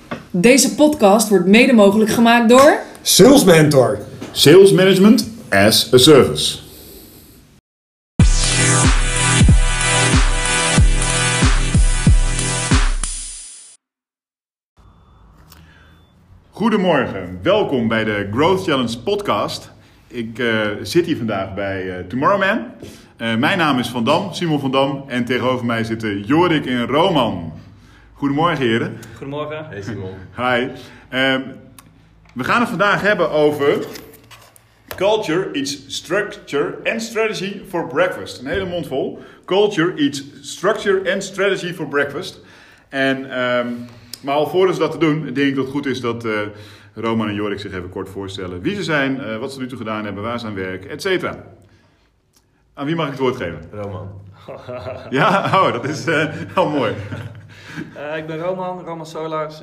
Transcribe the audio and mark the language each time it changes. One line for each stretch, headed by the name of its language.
Dutch: Deze podcast wordt mede mogelijk gemaakt door...
English: Sales Mentor. Sales Management as a Service.
Dutch: Goedemorgen, welkom bij de Growth Challenge podcast. Ik zit hier vandaag bij Tomorrow Man. Mijn naam is Van Dam, Simon Van Dam. En tegenover mij zitten Jorik en Roman. Goedemorgen, heren. Goedemorgen.
English: Hey, Simon. Hi.
Dutch: We gaan het vandaag hebben over...
English: Culture eats structure and strategy for breakfast.
Dutch: Een hele mond vol.
English: Culture eats structure and strategy for breakfast.
Dutch: En... Maar alvorens dat te doen, denk ik dat het goed is dat Roman en Jorik zich even kort voorstellen. Wie ze zijn, wat ze nu toe gedaan hebben, waar ze aan werken, et cetera. Aan wie mag ik het woord geven? Roman. Ja, oh, dat is wel mooi. Ik ben Roman, Roman Solars.